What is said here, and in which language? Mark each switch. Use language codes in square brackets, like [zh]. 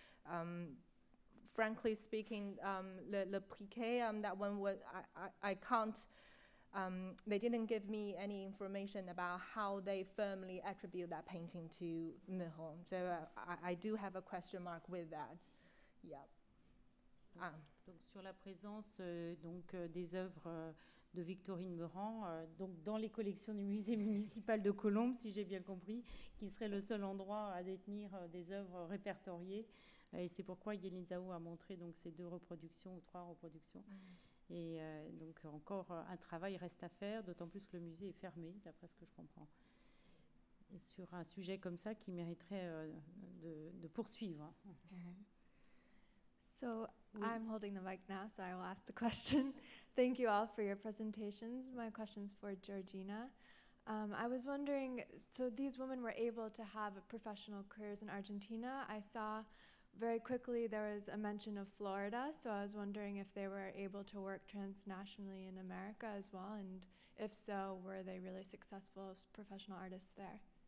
[en] And frankly speaking, Le Priquet, that one was, I can't, they didn't give me any information about how they firmly attribute that painting to Meuron. So I do have a question mark with that. Yeah. [fr] Donc sur la présence des œuvres de Victorine Meuron dans les collections du musée municipal de Colombes, si j'ai bien compris, qui serait le seul endroit à détenir des œuvres répertoriées. Et c'est pourquoi Yéline Zhao a montré ces deux reproductions ou trois reproductions Et donc encore un travail reste à faire, d'autant plus que le musée est fermé, d'après ce que je comprends. Et sur un sujet comme ça qui mériterait de poursuivre. [en] So [fr] oui. [en] I'm holding the mic now, so I will ask the question. Thank you all for your presentations. My question's for Georgina. I was wondering, so these women were able to have professional careers in Argentina. I saw very quickly there was a mention of Florida, so I was wondering if they were able to work transnationally in America as well, and if so, were they really successful professional artists there?